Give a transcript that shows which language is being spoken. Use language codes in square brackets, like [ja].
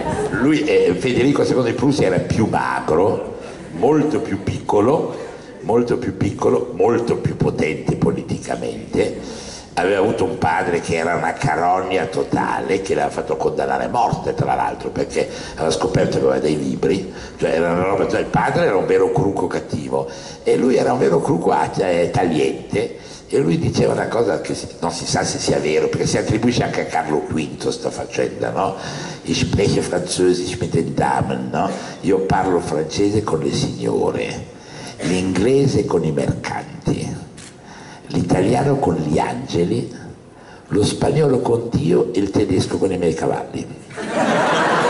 [it] Lui, Federico II di Prussia, era più magro, molto più potente politicamente, aveva avuto un padre che era una carogna totale, che l'aveva fatto condannare a morte, tra l'altro, perché aveva scoperto che aveva dei libri, cioè era una roba, cioè il padre era un vero cruco cattivo e lui era un vero cruco tagliente. E lui diceva una cosa che non si sa se sia vero, perché si attribuisce anche a Carlo V sta faccenda, no? [de] Ich spreche französisch mit den Damen, no? [it] Io parlo francese con le signore, l'inglese con i mercanti, l'italiano con gli angeli, lo spagnolo con Dio e il tedesco con i miei cavalli.